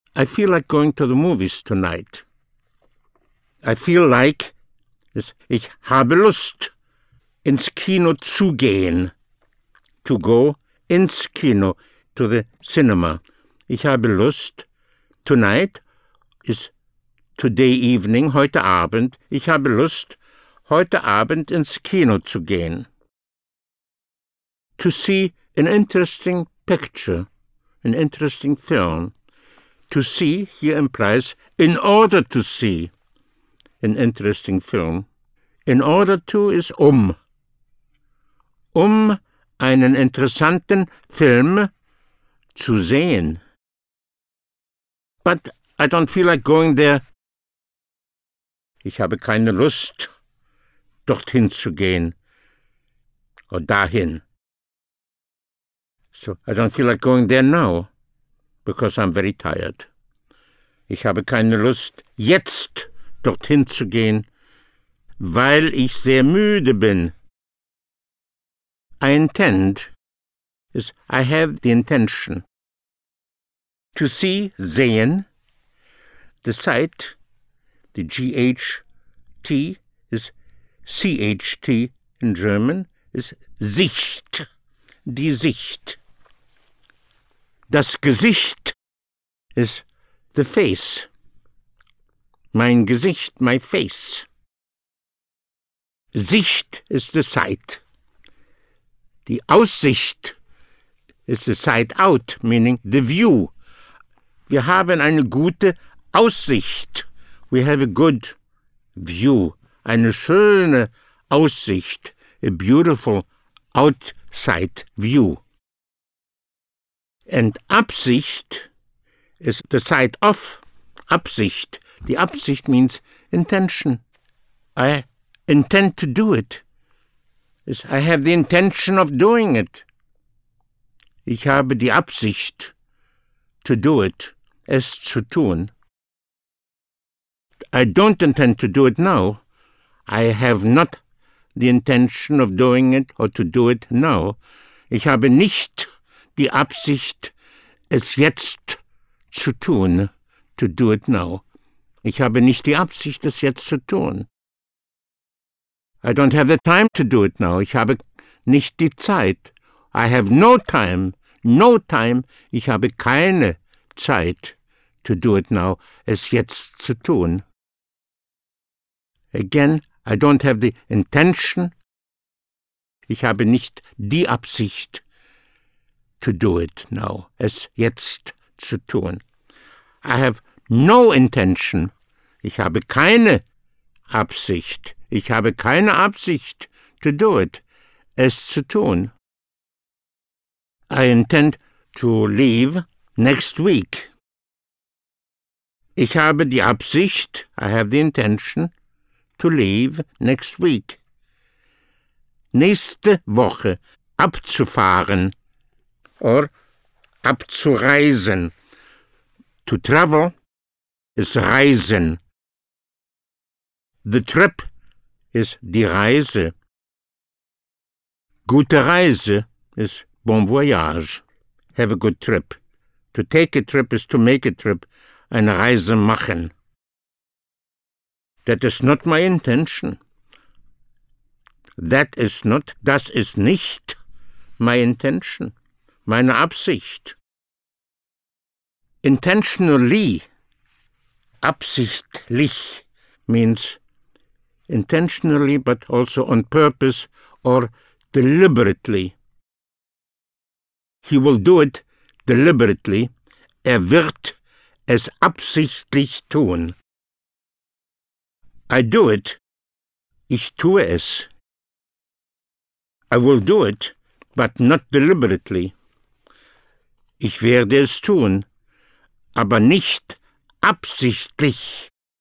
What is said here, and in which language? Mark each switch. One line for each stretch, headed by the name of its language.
English: I feel like going to the movies tonight.
German: I feel like ich habe Lust ins Kino zu gehen.
English: To go
German: ins Kino,
English: to the cinema. Ich habe Lust tonight is today evening, heute Abend.
German: Ich habe Lust heute Abend ins Kino zu gehen.
English: To see an interesting picture, an interesting film. To see here implies in order to see an interesting film. In order to is um.
German: Um einen interessanten Film zu sehen.
English: But I don't feel like going there.
German: Ich habe keine Lust, dorthin zu gehen. Or dahin.
English: So I don't feel like going there now, because I'm very tired.
German: Ich habe keine Lust, jetzt dorthin zu gehen, weil ich sehr müde bin.
English: I intend is I have the intention. To see, sehen, the sight, the G-H-T is C-H-T in German, is Sicht, die Sicht. Das Gesicht is the face.
German: Mein Gesicht,
English: my face. Sicht is the sight. Die Aussicht is the sight out, meaning the view.
German: Wir haben eine gute Aussicht.
English: We have a good view.
German: Eine schöne Aussicht.
English: A beautiful outside view. And Absicht is the sight of. Absicht. Die Absicht means intention. I intend to do it. Is I have the intention of doing it.
German: Ich habe die Absicht
English: to do it.
German: Es zu tun.
English: I don't intend to do it now. I have not the intention of doing it or to do it now.
German: Ich habe nicht die Absicht, es jetzt zu tun,
English: to do it now.
German: Ich habe nicht die Absicht, es jetzt zu tun.
English: I don't have the time to do it now.
German: Ich habe nicht die Zeit.
English: I have no time. No time.
German: Ich habe keine Zeit,
English: to do it now,
German: es jetzt zu tun.
English: Again, I don't have the intention.
German: Ich habe nicht die Absicht,
English: to do it now,
German: es jetzt zu tun.
English: I have no intention.
German: Ich habe keine Absicht. Ich habe keine Absicht,
English: to do it,
German: es zu tun.
English: I intend to leave next week.
German: Ich habe die Absicht,
English: I have the intention, to leave next week.
German: Nächste Woche abzufahren or abzureisen.
English: To travel is reisen. The trip is die Reise. Gute Reise is bon voyage. Have a good trip. To take a trip is to make a trip.
German: Eine Reise machen.
English: That is not my intention. That is not,
German: das ist nicht
English: my intention,
German: meine Absicht.
English: Intentionally, absichtlich, means intentionally but also on purpose or deliberately. He will do it deliberately.
German: Er wird es absichtlich tun.
English: I do it.
German: Ich tue es.
English: I will do it, but not deliberately.
German: Ich werde es tun, aber nicht absichtlich.